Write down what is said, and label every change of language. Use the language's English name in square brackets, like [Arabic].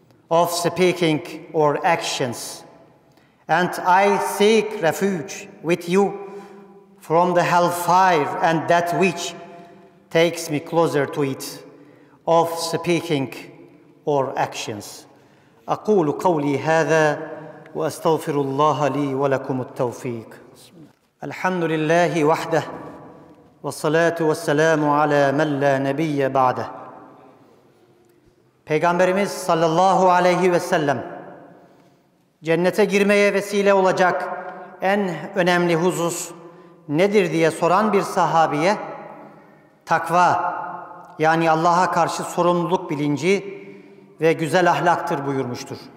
[English] of speaking or actions. And I seek refuge with you from the hellfire and that which takes me closer to it of speaking or actions. [Arabic] أقول قولي هذا وأستغفر الله لي ولكم التوفيق. الحمد لله وحده والصلاة والسلام على من لا نبي بعده. [Turkish] Peygamberimiz sallallahu aleyhi ve sellem cennete girmeye vesile olacak en önemli husus nedir diye soran bir sahabiye takva yani Allah'a karşı sorumluluk bilinci ve güzel ahlaktır buyurmuştur.